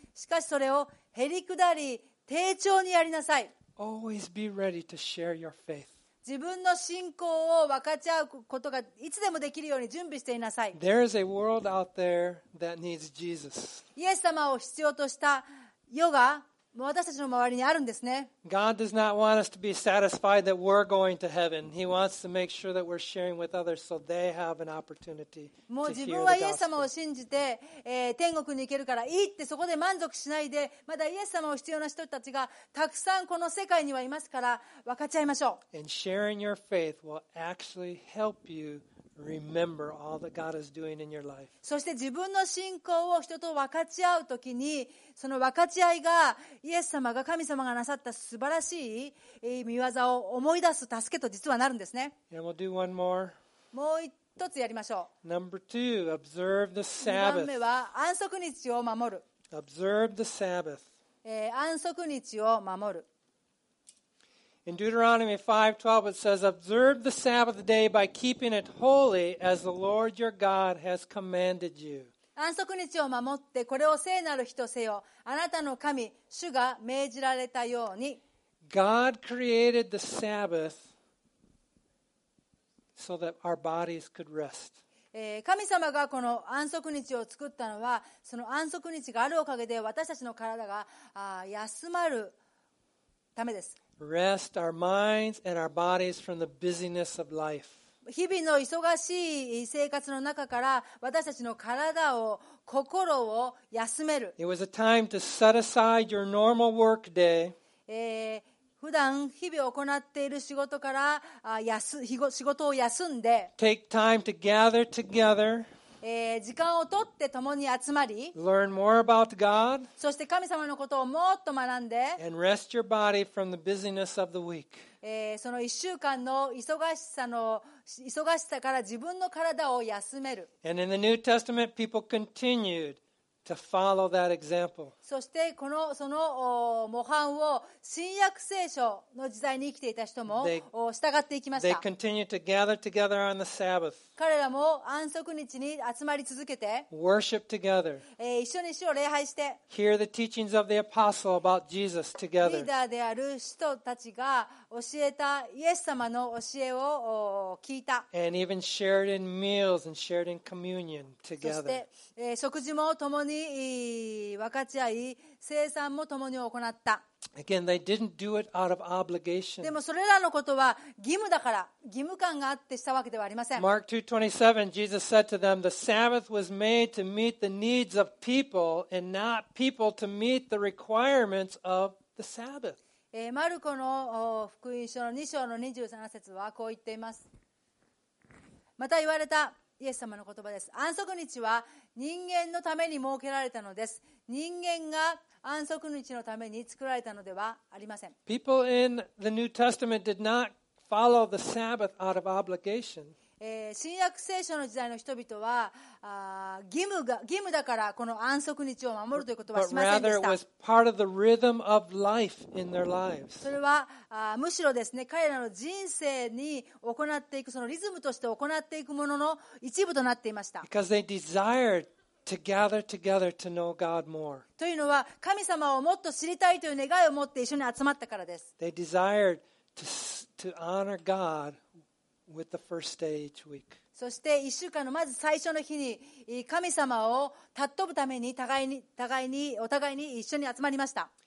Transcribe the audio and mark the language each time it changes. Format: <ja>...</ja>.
<ja>しかしそれをへりくだり丁重にやりなさい。</ja> <en>Always be ready to share your faith.</en> <ja>自分の信仰を分かち合うことがいつでもできるように準備していなさい。</ja> <en>There is a world out there that needs Jesus.</en> <ja>イエス様を必要とした世が私たちの周りにあるんですね。</ja> <en>God does not want us to be satisfied that we're going to heaven. He wants to make sure that we're sharing with others so they have an opportunity to hear the gospel.</en> <ja>もう自分はイエス様を信じて、天国に行けるからいいってそこで満足しないで、まだイエス様を必要な人たちがたくさんこの世界にはいますから分かち合いましょう。</ja> <en>And sharing your faith will actually help youRemember all that God is doing in your life.</en> <ja>そして自分の信仰を人と分かち合うときに、その分かち合いがイエス様が神様がなさった素晴らしい御業を思い出す助けと実はなるんですね。</ja> <en>Yeah, we'll do one more.</en> <ja>もう一つやりましょう。</ja> <en>Number two, observe the Sabbath.</en> <ja>二番目は安息日を守る。</ja> <en>Observe the Sabbath.</en> <ja>安息日を守る。</ja> <en>In Deuteronomy 5:12, it says, "Observe the Sabbath day by keeping it holy, as the Lord your God has commanded you."</en> <ja>安息日を守ってこれを聖なる日とせよ。あなたの神主が命じられたように。</ja> <en>God created the Sabbath so that our bodies could rest.</en> <ja>神様がこの安息日を作ったのは、その安息日があるおかげで私たちの体が休まるためです。</ja> <en>Rest our minds and our bodies from the busyness of life.</en> <ja>日々の忙しい生活の中から私たちの体を心を休める。</ja> <en>It was a time to set aside your normal work day.</en> <ja>普段日々行っている仕事から仕事を休んで、</ja> <en>Take time to gather together.</en> <ja>時間を取って共に集まり、</ja> <en>Learn more about God.</en> <ja>そして神様のことをもっと学んで、</ja> <en>And rest your body from the busyness of the week.</en> <ja>その1週間の忙しさから自分の体を休める。</ja> <en>And in the New Testament, people continued to follow that example.</en> <ja>そしてその模範を新約聖書の時代に生きていた人も従っていきました。</ja> <en>They continued to gather together on the Sabbath.</en> <ja>彼らも安息日に集まり続けて、</ja> <en>worship together.</en> <ja>一緒に主を礼拝して、</ja> <en>hear the teachings of the apostle about Jesus together.</en> <ja>リーダーである使徒たちが教えたイエス様の教えを聞いた。</ja> <en>And even shared in meals and shared in communion together.</en> <ja>そして食事も共に分かち合い、聖餐も共に行った。</ja> <en>Again, they didn't do it out of obligation.</en> <ja>でもそれらのことは義務だから、義務感があってしたわけではありません。</ja> <en>Mark 2:27, Jesus said to them, "The Sabbath was made to meet the needs of people, and not people to meet the requirements of the Sabbath."</en> <ja>マルコの福音書の2章の27節はこう言っています。また言われた。イエス様の言葉です。安息日は人間のために設けられたのです。人間が安息日のために作られたのではありません。</ja> <en>People in the New Testament did not follow the Sabbath out of obligation.</en> <ja>新約聖書の時代の人々は義務だからこの安息日を守るということはしませんでした。</ja> <en>But rather it was part of the rhythm of life in their lives.</en> <ja>それはむしろですね、彼らの人生に行っていくそのリズムとして行っていくものの一部となっていました。</ja> <en>Because they desired to gather together to know God more.</en> <ja>というのは神様をもっと知りたいという願いを持って一緒に集まったからです。</ja> <en>They desired to honor God with the first day each week.</en> <ja>そして1週間のまず最初の日に神様を尊ぶために互いにお互いに一緒に集まりました。</ja>